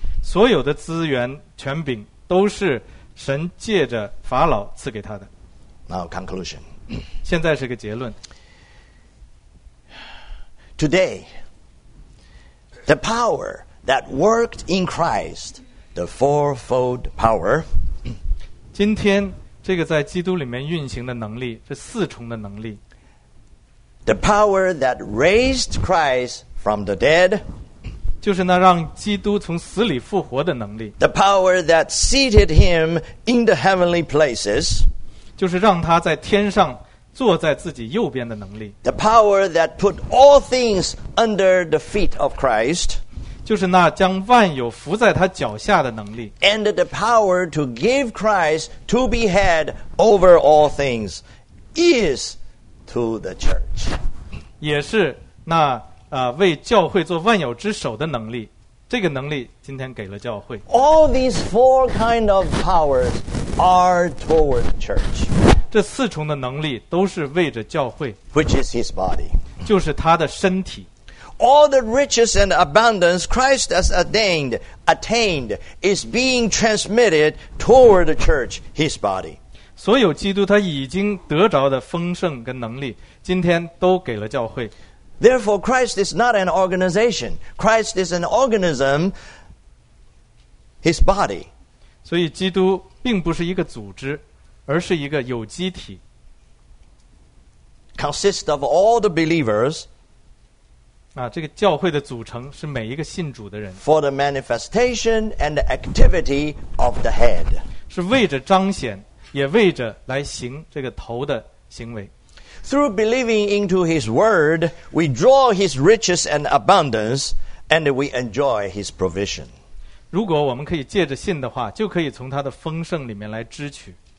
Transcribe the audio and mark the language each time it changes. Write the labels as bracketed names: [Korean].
[Chinese] 所有的资源、权柄都是神借着法老赐给他的。 [English] Now conclusion. [Chinese] 现在是个结论。 [English] Today, the power that worked in Christ, the fourfold power. [Chinese] 今天这个在基督里面运行的能力，这四重的能力。 [English] The power that raised Christ from the dead, [Chinese] 就是那让基督从死里复活的能力。 [English] The power that seated him in the heavenly places, [Chinese] 就是让他在天上坐在自己右边的能力。 [English] The power that put all things under the feet of Christ, [Chinese] 就是那将万有伏在他脚下的能力。 [English] And the power to give Christ to be head over all things is to the church. [Chinese] 也是那为教会做万有之首的能力，这个能力今天给了教会。 [English] All these four kind of powers are toward the church. [Chinese] 这四重的能力都是为着教会。 [English] Which is his body. [Chinese] 就是他的身体。 [English] all the riches and abundance Christ has attained is being transmitted toward the church, his body. [Chinese] 所有基督他已经得着的丰盛跟能力今天都给了教会。 [English] Therefore, Christ is not an organization. Christ is an organism, his body. [Chinese] 所以基督并不是一个组织而是一个有机体。 [English] Consist of all the believers. [Chinese] 啊，这个教会的组成是每一个信主的人。 [English] For the manifestation and the activity of the head. [Chinese] 是为着彰显，也为着来行这个头的行为。 [English] Through believing into His Word, we draw His riches and abundance, and we enjoy His provision. [Chinese] 如果我们可以借着信的话，就可以从他的丰盛里面来支取。